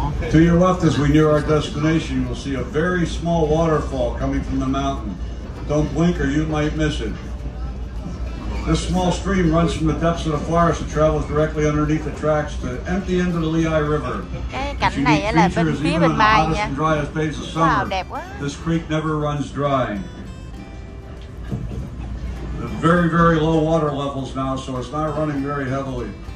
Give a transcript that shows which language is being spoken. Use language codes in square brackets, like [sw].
[en] To your left as we near our destination, you'll see a very small waterfall coming from the mountain. Don't blink or you might miss it. This small stream runs from the depths of the forest and travels directly underneath the tracks to empty into the Lehigh River. [vi] Cái cảnh này là bên phía bên mai nha. [en] And driest days of summer, [vi] wow, đẹp quá. [en] This creek never runs dry. The very, very low water levels now, so it's not running very heavily.